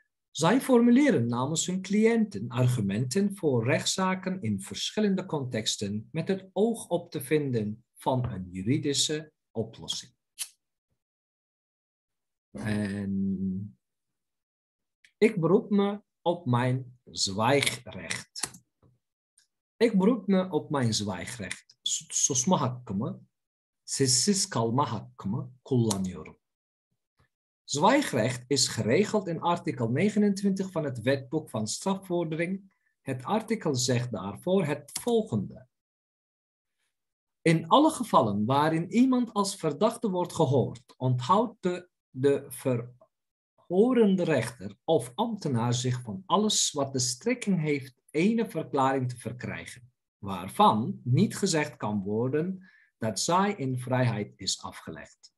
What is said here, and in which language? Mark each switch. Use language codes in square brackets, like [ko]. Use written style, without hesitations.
[nl] Zij formuleren namens hun cliënten argumenten voor rechtszaken in verschillende contexten met het oog op te vinden van een juridische oplossing. En ik beroep me op mijn zwijgrecht. Ik beroep me op mijn zwijgrecht. [tr] Susma hakkımı, sessiz kalma hakkımı kullanıyorum. [nl] Zwijgrecht is geregeld in artikel 29 van het wetboek van strafvordering. Het artikel zegt daarvoor het volgende. In alle gevallen waarin iemand als verdachte wordt gehoord, onthoudt de verhorende rechter of ambtenaar zich van alles wat de strekking heeft ene verklaring te verkrijgen, waarvan niet gezegd kan worden dat zij in vrijheid is afgelegd.